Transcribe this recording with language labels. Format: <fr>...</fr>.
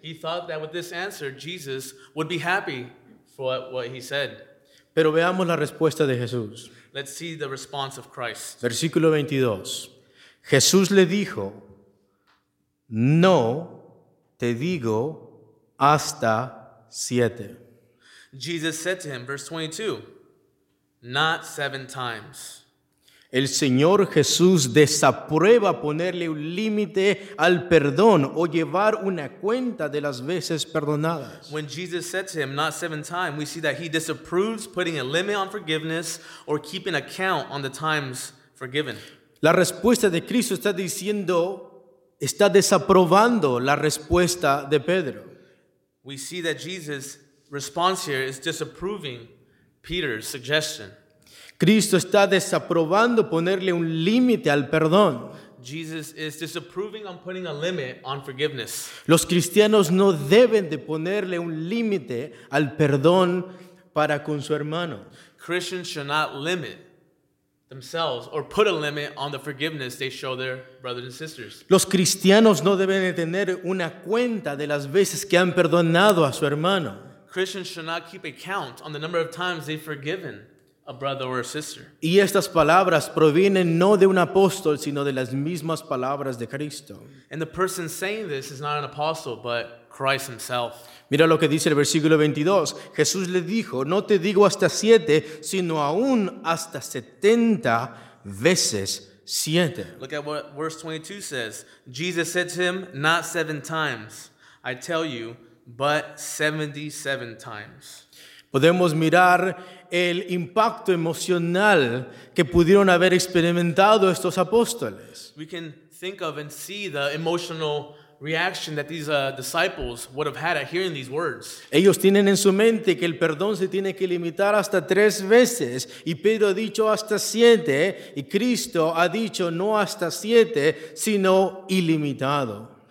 <en>He thought that with this answer Jesus would be happy for what he said.</en> <es>Pero veamos la respuesta de Jesús.</es> <en>Let's see the response of Christ.</en> <es>Versículo 22. Jesús le dijo, No te digo hasta siete.</es> <en>Jesus said to him, verse 22, not seven times.</en> <es>El Señor Jesús desaprueba ponerle un límite al perdón o llevar una cuenta de las veces perdonadas.</es> <en>When Jesus said to him, not seven times, we see that he disapproves putting a limit on forgiveness or keeping a count on the times forgiven.</en> <es>La respuesta de Cristo está diciendo, está desaprobando la respuesta de Pedro.</es> <en>We see that Jesus' response here is disapproving Peter's suggestion.</en> <es>Cristo está desaprobando ponerle un límite al perdón.</es> <en>Jesus is disapproving on putting a limit on forgiveness.</en> <es>Los cristianos no deben de ponerle un límite al perdón para con su hermano.</es> <en>Christians should not limit themselves or put a limit on the forgiveness they show their brothers and sisters.</en> <es>Los cristianos no deben de tener una cuenta de las veces que han perdonado a su hermano.</es> <en>Christians should not keep a count on the number of times they've forgiven a brother or a sister.</en> <es>Y estas palabras provienen no de un apóstol, sino de las mismas palabras de Cristo.</es> <en>And the person saying this is not an apostle, but Christ himself.</en> <es>Mira lo que dice el versículo 22. Jesús le dijo, no te digo hasta siete, sino aún hasta 70 veces siete.</es> <en>Look at what verse 22 says. Jesus said to him, not seven times, I tell you, but 77 times.</en> <es>Podemos mirar el impacto emocional que pudieron haber experimentado estos apóstoles.</es> <en>We can think of and see the emotional reaction that these disciples would have had at hearing these words.</en> <es>Ellos tienen en su mente que el perdón se tiene que limitar hasta tres veces, y Pedro ha dicho hasta siete, y Cristo ha dicho no hasta siete, sino ilimitado.</es>